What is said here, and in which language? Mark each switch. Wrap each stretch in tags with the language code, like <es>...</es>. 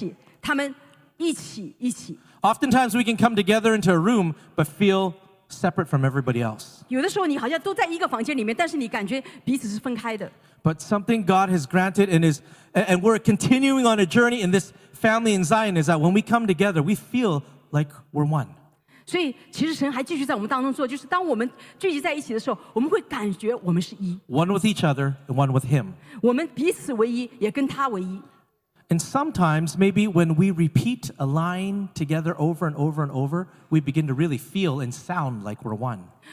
<zh>所以就是在这个使徒行传里面讲到说120个人他们聚集在一起,他们一起,一起。</zh> <en>Oftentimes we can come together into a room but feel separate from everybody else.</en> <zh>有的时候你好像都在一个房间里面,但是你感觉彼此是分开的。</zh> <en>But something God has granted and is, and we're continuing on a journey in this family in Zion is that when we come together, we feel like we're one.</en> <zh>所以其实神还继续在我们当中做，就是当我们聚集在一起的时候，我们会感觉我们是一。</zh> <en>One with each other and one with him.</en> <zh>我们彼此唯一，也跟他唯一。</zh> <en>And sometimes, maybe when we repeat a line together over and over and over, we begin to really feel and sound like we're one.</en>